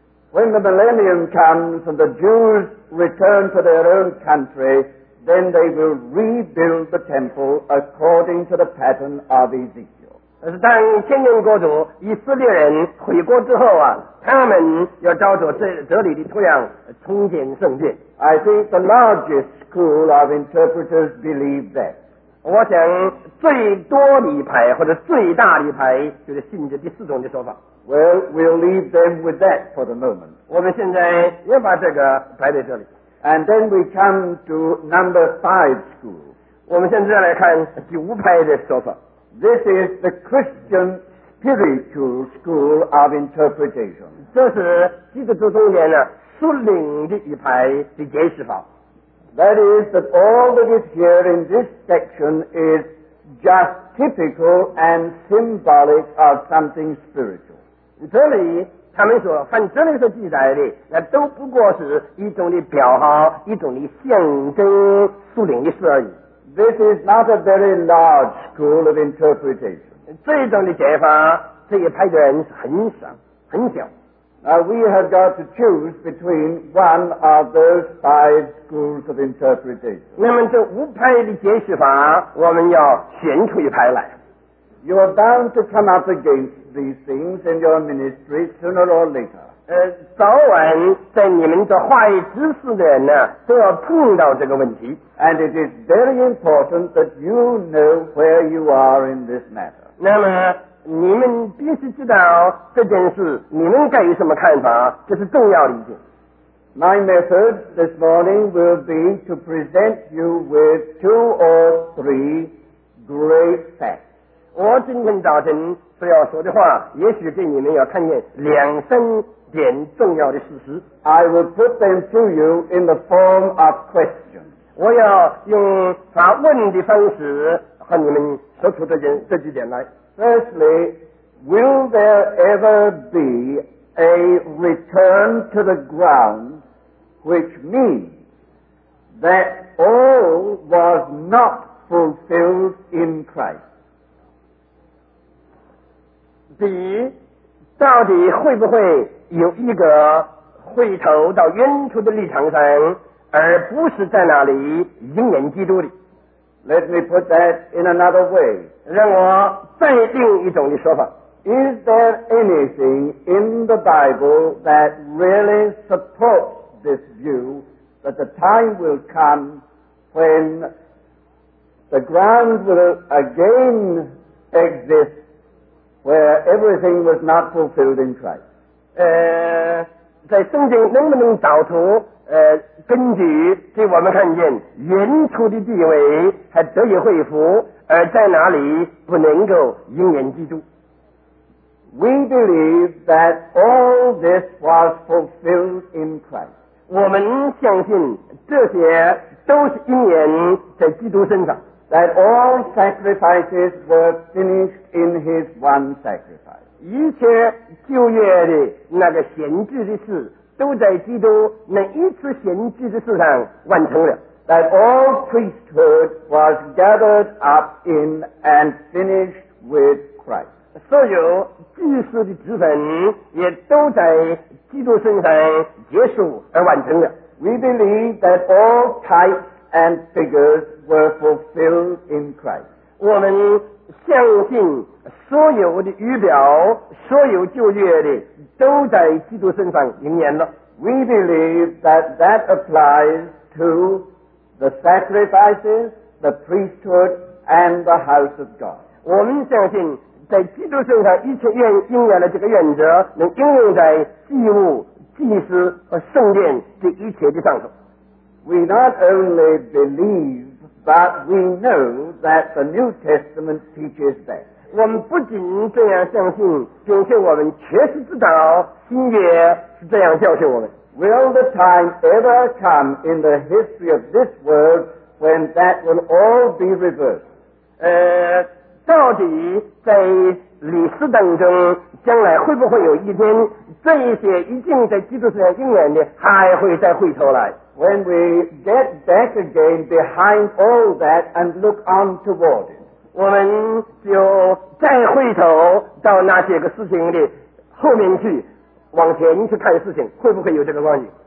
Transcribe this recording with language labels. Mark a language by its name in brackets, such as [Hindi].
[English] When the millennium comes and the Jews return to their own country, then they will rebuild the temple according to the pattern of Ezekiel. [Chinese] 当千年国度以色列人回国之后啊，他们要照着这里的图样重建圣殿。 [English] I think the largest school of interpreters believe that. [Chinese] 我想最多的一派或者最大的一派就是信这第四种的说法。 [English] Well, we'll leave them with that for the moment. [Chinese] 我们现在也把这个摆在这里。 [English] And then we come to number five school. [Chinese] 我们现在来看第五派的说法。 [English] This is the Christian spiritual school of interpretation. [Chinese] 这是基督徒中间的属灵的一派的解释法。 [English] That is that all that is here in this section is just typical and symbolic of something spiritual. [Chinese] 这里他们说凡这里所记载的那都不过是一种的表号一种的象征属灵的事而已。 [English] This is not a very large school of interpretation. [Chinese] 这一种的解法这一派的人是很少很小。 [English] Now we have got to choose between one of those five schools of interpretation. [Chinese] 那么这五派的解释法我们要选出一派来。 [English] You are bound to come up against these things in your ministry sooner or later. [Chinese] 早晚在你们的话语知识的人呢都要碰到这个问题。 [English] And it is very important that you know where you are in this matter. [Chinese] 那么你们必须知道这件事你们该有什么看法这是重要的一点。 [English] My method this morning will be to present you with two or three great facts. [Chinese] 我今天早晨所要说的话也许对你们要看见两三点重要的事实。 [English] I will put them to you in the form of questions. [Chinese] 我要用发问的方式和你们说出这几点来。 [English] Firstly, will there ever be a return to the ground which means that all was not fulfilled in Christ? [Chinese] 第一，到底会不会有一个回头到原初的立场上，而不是在那里应验基督的 [English] ？Let me put that in another way. [Chinese] 让我再另一种的说法。 [English] Is there anything in the Bible that really supports this view that the time will come when the ground will again exist? Where everything was not fulfilled in Christ. [Chinese] 在圣经能不能找出根据给我们看见原初的地位还得以恢复而在哪里不能够应验基督 [English] We believe that all this was fulfilled in Christ. [Chinese] 我们相信这些都是应验在基督身上。 [English] That all sacrifices were finished in his one sacrifice. [Chinese] 一切旧约的那个献祭的事都在基督那一次献祭的事上完成了。 [English] That all priesthood was gathered up in and finished with Christ. [Chinese] 所有祭司的职分也都在基督身上结束而完成了。 [English] We believe that all types and figures were fulfilled in Christ. [Chinese] 我们相信所有的预表所有旧约的都在基督身上应验了。 [English] We believe that that applies to the sacrifices, the priesthood, and the house of God. [Chinese] 我们相信在基督身上一切应验了这个原则能应用在祭物、祭司和圣殿这一切的上头。 [English] We not only believe, but we know that the New Testament teaches that. [Chinese] 我们不仅这样相信，并且我们确实知道新约是这样教训我们。 [English] Will the time ever come in the history of this world when that will all be reversed? [Chinese] 到底在历史当中，将来会不会有一天，这一些已经在基督身上应验的，还会再回头来？ [English] When we get back again behind all that and look on toward it, [Chinese] 我们就再回头到那些个事情的后面去。往前去看事情，会不会有这个光景？